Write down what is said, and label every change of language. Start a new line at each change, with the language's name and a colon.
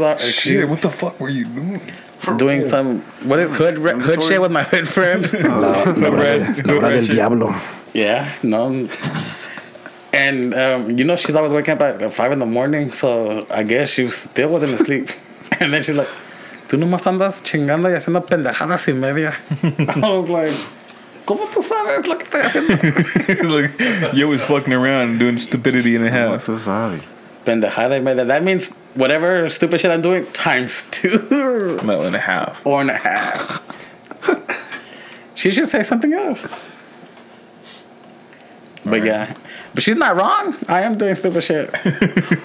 English: like, "Shit, what the fuck were you doing?" Hood shit with my hood friend. Hood Diablo. Yeah, no. And you know, she's always waking up at 5 in the morning, so I guess she still wasn't asleep. And then she's like, tú nomás andas chingando y haciendo pendejadas y media. I was like, ¿cómo tú sabes lo que estoy haciendo? Like, you was fucking around doing stupidity and a half.
Spanish: ¿Cómo tú sabes? Pendejada y media.
English: That means whatever stupid shit I'm doing times two. No, and a half. Four and a half. She should say something else. But she's not wrong. I am doing stupid shit.